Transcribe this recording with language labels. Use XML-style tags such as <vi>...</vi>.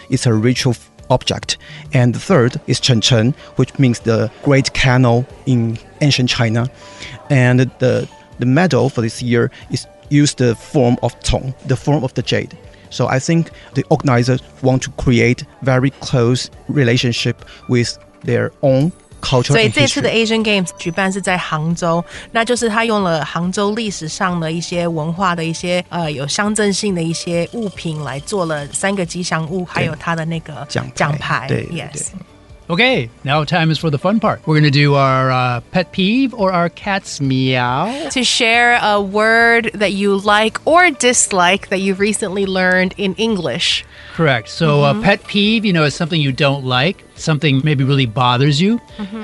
<en>It's a ritual object. And the third is Chen Chen, which means the great canal in ancient China. And the medal for this year is used the form of Cong, the form of the jade. So I think the organizers want to create very close relationship with their own culture.</en> <zh>所以这次的 Asian Games 举办是在杭州，那就是他用了杭州历史上的一些文化的一些有象征性的一些物品来做了三个吉祥物，还有他的那个奖牌。对</zh> <en>，Yes.</en> <zh>对</zh> <en>Okay, now time is for the fun part. We're going to do our pet peeve or our cat's meow. To share a word that you like or dislike that you've recently learned in English. Correct. So a pet peeve, you know, is something you don't like, something maybe really bothers you. Mm-hmm.</en>